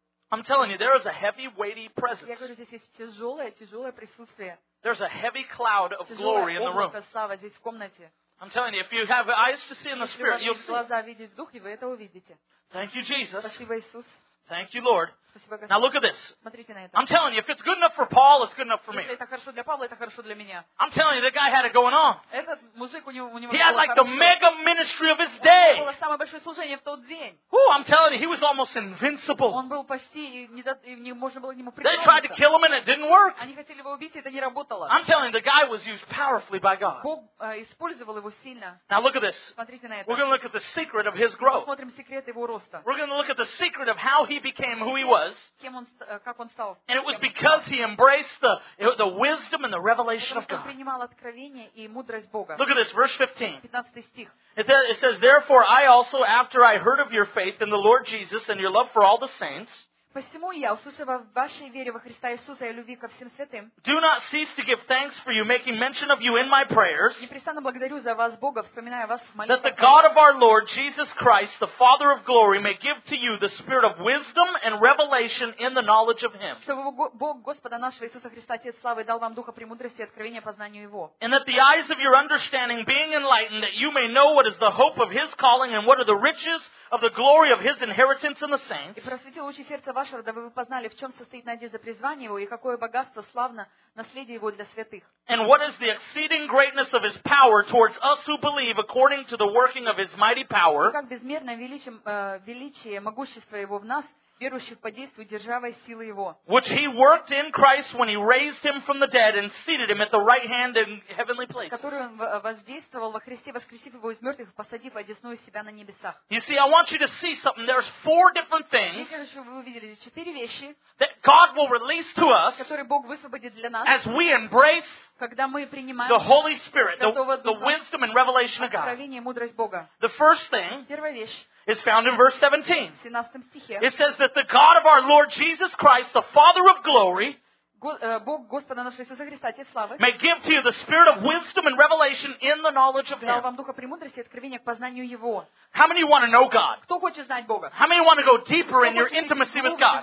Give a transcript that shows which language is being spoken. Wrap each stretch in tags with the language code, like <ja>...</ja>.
<en>I'm telling you, there is a heavy, weighty presence.</en> <ru>Я говорю, здесь есть тяжелое, тяжелое присутствие.</ru> <en>There's a heavy cloud of glory in the room.</en> <ru>Тяжелое облако славы здесь в комнате.</ru> <en>I'm telling you, if you have eyes to see in the spirit, you'll see.</en> <ru>Если у вас есть глаза видеть дух, и вы это увидите.</ru> <en>Thank you, Jesus.</en> <ru>Спасибо, Иисус.</ru> <en>Thank you, Lord.</en> <ru>Спасибо, Господь.</ru> <en>Now look at this.</en> <ru>Смотрите на это.</ru> <en>I'm telling you, if it's good enough for Paul, it's good enough for me.</en> <ru>Если это хорошо для Павла, это хорошо для меня.</ru> <en>I'm telling you, the guy had it going on.</en> <ru>Этот мужик у него</ru> <en>He had like the mega ministry of his day.</en> <ru>Было самое большое служение в тот день.</ru> <en>Whoo, I'm telling you, he was almost invincible.</en> <ru>Он был почти не можно было ему прикрыться.</ru> <en>They tried to kill him and it didn't work.</en> <ru>Они хотели его убить, это не работало.</ru> <en>I'm telling you, the guy was used powerfully by God.</en> <ru>Бог использовал его сильно.</ru> <en>Now look at this.</en> <ru>Смотрите на это.</ru> <en>We're going to look at the secret of his growth.</en> <ru>Посмотрим секрет его роста.</ru> <en>We're going to look at the secret of how he became who he was. And it was because he embraced the wisdom and the revelation of God. Look at this, verse 15. It says, therefore I also, after I heard of your faith in the Lord Jesus and your love for all the saints,</en> <ru>Посему я, услышав о вашей вере во Христа Иисуса и о любви ко всем святым,</ru> <en>do not cease to give thanks for you, making mention of you in my prayers,</en> <ru>непрестанно благодарю за вас Бога, вспоминая вас в молитвах,</ru> <en>that the God of our Lord Jesus Christ, the Father of glory, may give to you the spirit of wisdom and revelation in the knowledge of Him.</en> <ru>Чтобы Бог Господа нашего Иисуса Христа, Отец Славы, дал вам духа премудрости и откровения познанию Его.</ru> <en>And that the eyes of your understanding being enlightened, that you may know what is the hope of His calling and what are the riches of the glory of His inheritance in the saints.</en> <ru>И просветил очи сердца ваше, дабы вы познали, в чем состоит надежда призвания Его и какое богатство славно наследие Его для святых.</ru> <en>And what is the exceeding greatness of His power towards us who believe according to the working of His mighty power?</en> <ru>Как безмерное величие могущества Его в нас, верующих по действию державой силы Его.</ru> <en>Which He worked in Christ when He raised Him from the dead and seated Him at the right hand in heavenly places.</en> <ru>Которую Он воздействовал во Христе, воскресив Его из мертвых и посадив одесную Себя на небесах.</ru> <en>You see, I want you to see something. There's four different things that God will release to us as we embrace the Holy Spirit, the wisdom and revelation of God. The first thing is found in verse 17. It says that the God of our Lord Jesus Christ, the Father of glory,</en> <ru>Бог Господа нашего Иисуса Христа, Отец Славы,</ru> <en>may give to you the spirit of wisdom and revelation in the knowledge of Him.</en> <ru>Дал вам духа премудрости и откровения к познанию Его.</ru> <en>How many want to know God?</en> <ru>Кто хочет знать Бога?</ru> <en>How many want to go deeper in your intimacy with God?</en>